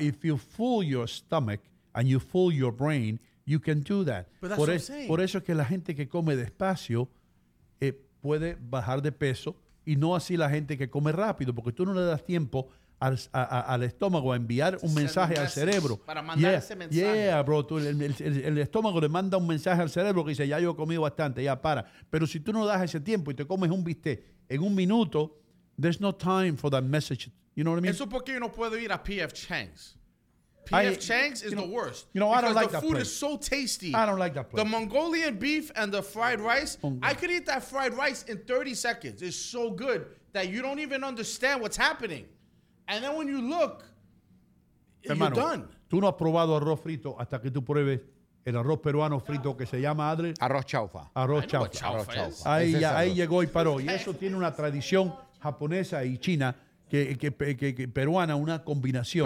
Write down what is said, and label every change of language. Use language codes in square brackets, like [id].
[en] If you fool your stomach and you fool your brain, you can do that. But that's what I'm saying. [es] Por eso es que la gente que come despacio puede bajar de peso, y no así la gente que come rápido, porque tú no le das tiempo al estómago a enviar un mensaje al cerebro. Para mandar ese mensaje. [en] Yeah, bro. [es] Tú, el estómago le manda un mensaje al cerebro que dice, ya yo he comido bastante, ya para. Pero si tú no das ese tiempo y te comes un bistec en un minuto, [en] there's no time for that message. You know what I mean? [es] Eso porque yo no puedo ir a P.F. [en] Chang's. P.F. Chang's is the worst. You know, I don't like that place. Because the food is so tasty. I don't like that place. The Mongolian beef and the fried rice, I could eat that fried rice in 30 seconds. It's so good that you don't even understand what's happening. And then when you look, [es] hermano, [en] you're done. [es] Tú no has probado arroz frito hasta que tú pruebes el arroz peruano frito que se llama Adler. Arroz chaufa. Arroz chaufa. Arroz chaufa. Ahí, ya, arroz. Ahí llegó y paró. Y eso tiene una tradición japonesa y china, que peruana, una combinación.